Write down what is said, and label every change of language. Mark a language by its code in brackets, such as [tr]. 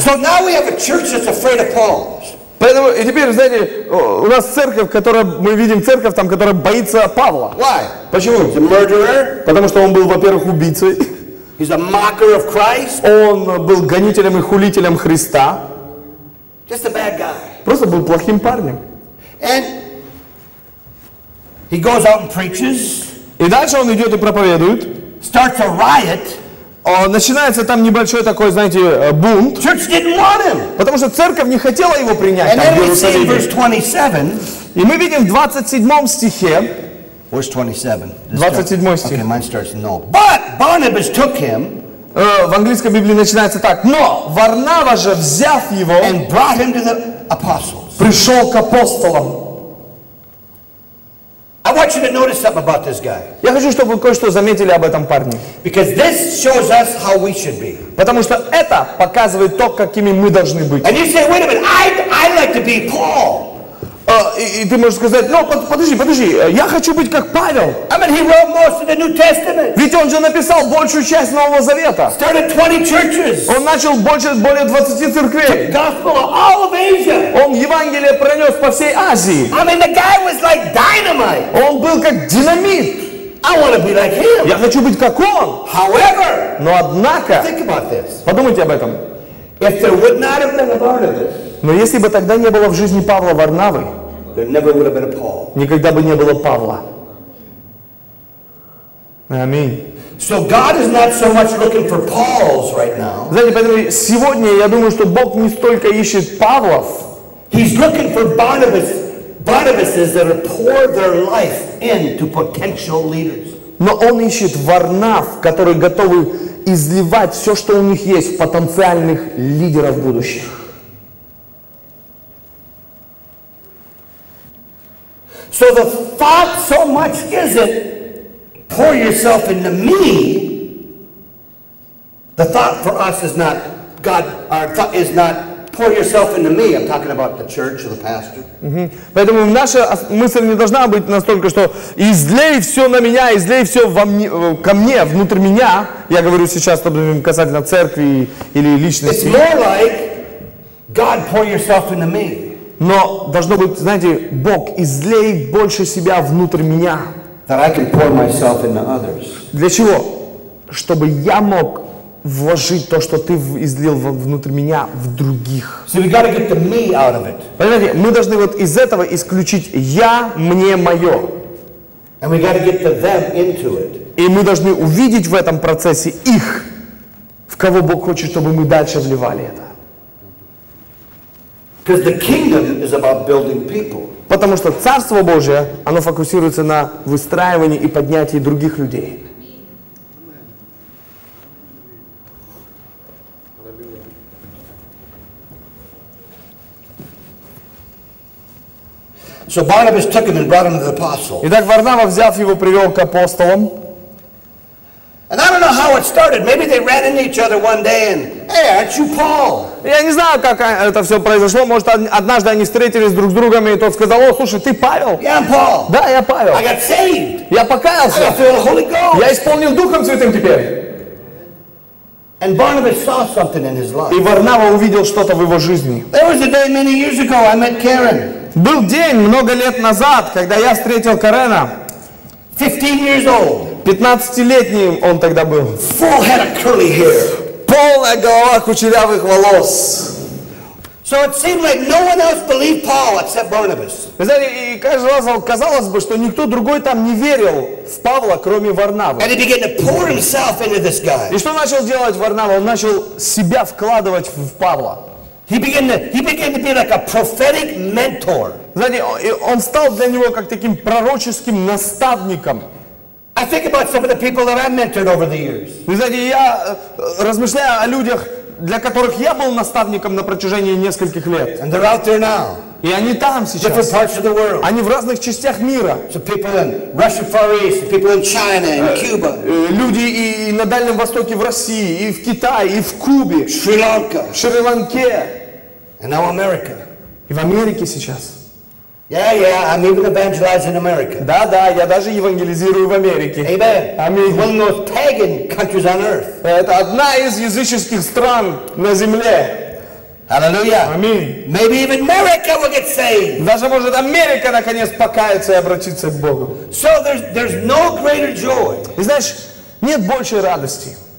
[en] So now we have a church that's afraid of Paul. [ru] Поэтому и теперь, знаете, у нас церковь, которая мы видим церковь там, которая боится Павла. [en] Why? [ru] Почему? [en] He's a murderer. [ru] Потому что он был, во-первых, убийцей. [en] He's a mocker of Christ. [ru] Он был гонителем и хулителем Христа. [en] Just a bad guy. [ru] Просто был плохим парнем. [en] And He goes out and preaches. [ru] И дальше он идет и проповедует. [en] Starts a riot. [ru] Начинается там небольшой такой, знаете, бунт. [en] Church didn't want him. [ru] Потому что церковь не хотела его принять. [en] And [ru] там, [en] then we see in verse 27. [ru] И мы видим в 27 стихе. [en] Verse 27. [ru] 27 стих. [en] Okay, mine starts no. But Barnabas took him. [ru] В английской Библии начинается так. Но Варнава же, взяв его. [en] And brought him to the apostles. [ru] Пришел к апостолам. [en] I want you to notice something about this guy. [ru] Я хочу, чтобы вы кое-что заметили об этом парне. [en] Because this shows us how we should be. [ru] Потому что это показывает то, какими мы должны быть. [en] And you say, wait a minute, I like to be Paul. [ru] И ты можешь сказать, подожди, я хочу быть как Павел. [en] I mean, he wrote most of the New Testament. [ru] Ведь он же написал большую часть Нового Завета. [en] Started 20 churches. [ru] Он начал более 20 церквей. [en] The gospel of all of Asia. [ru] Он Евангелие пронес по всей Азии. [en] I mean, the guy was like dynamite. [ru] Он был как динамит. [en] I want to be like him. [ru] Я хочу быть как он. [en] However, [ru] но однако, [en] think about this. [ru] Подумайте об этом. [en] If there would not have been a part of this. [ru] Но если бы тогда не было в жизни Павла Варнавы, никогда бы не было Павла. Аминь. [en] So God is not so much looking for Pauls right now. [ru] Знаете, поэтому сегодня я думаю, что Бог не столько ищет Павлов. [en] He's looking for Barnabas, Barnabases that are pour their life into potential leaders. [ru] Но он ищет Варнав, которые готовы изливать все, что у них есть, в потенциальных лидеров будущих. [en] So the thought so much is it, pour yourself into me. The thought for us is not, God, our thought is not, pour yourself into me. I'm talking about the church or the pastor. Mm-hmm. [ru] Поэтому наша мысль не должна быть настолько, что излей все на меня, излей все во мне, ко мне, внутрь меня. Я говорю сейчас, например, касательно церкви или личности. [en] It's more like, God, pour yourself into me. [ru] Но должно быть, знаете, Бог, излей больше себя внутрь меня. [en] That I can pour myself into others. [ru] Для чего? Чтобы я мог вложить то, что ты излил внутрь меня, в других. [en] So we gotta get the me out of it. [ru] Понимаете, мы должны вот из этого исключить я, мне, мое. [en] And we gotta get the them into it. [ru] И мы должны увидеть в этом процессе их, в кого Бог хочет, чтобы мы дальше вливали это. [en] Because the kingdom is about building people. [ru] Потому что Царство Божие, оно фокусируется на выстраивании и поднятии других людей. [en] So Barnabas took him and brought him to the apostles. [ru] Итак, Варнава, взяв его, привел к апостолам. [en] And I don't know how it started. Maybe they ran into each other one day and, hey, aren't you Paul? [ru] Я не знаю, как это все произошло. Может, однажды они встретились друг с другом, и тот сказал: о, слушай, ты Павел? [en] Yeah, I'm Paul. [ru] Да, я Павел. [en] I got saved. [ru] Я покаялся. [en] I got filled with the Holy Ghost. [ru] Я исполнил Духом Святым теперь. [en] And Barnabas saw something in his life. [ru] И Варнава увидел что-то в его жизни. [en] There was a day many years ago I met Karen. [ru] Был день много лет назад, когда я встретил Карена. [en] 15 years old. [ru] 15-летним он тогда был. [en] Full head of curly hair. [ru] Полная голова кучерявых волос. [en] So it seemed like no one else believed Paul except Barnabas. [ru] Вы знаете, и казалось бы, что никто другой там не верил в Павла, кроме Варнавы. [en] And he began to pour himself into this guy. [ru] И что начал делать Варнава? Он начал себя вкладывать в Павла. [en] He began to be like a prophetic mentor. [ru] Знаете, он стал для него как таким пророческим наставником. [en] I think about some of the people that I mentored over the years. [ru] Вы знаете, я размышляю о людях, для которых я был наставником на протяжении нескольких лет. [en] And they're out there now. [ru] И они там сейчас. [en] Different parts of the world. [ru] Они в разных частях мира. [en] So people in Russia, Far East, people in China, in Cuba. [ru] Люди и на Дальнем Востоке, в России, и в Китае, и в Кубе. Шри-Ланка. В Шри-Ланке. [en] And now America. [ru] И в Америке сейчас. [en] Yeah, I'm even evangelizing America. [ru] Да, я даже евангелизирую в Америке. [en] Amen. It's one of the most pagan countries on earth. [ru] Это одна из языческих стран на земле. [en] Hallelujah. Amen. Maybe even America will get saved. [ru] Даже может Америка наконец покаяться и обратиться к Богу. [en] So there's no greater joy. [ru] И знаешь, нет большей радости,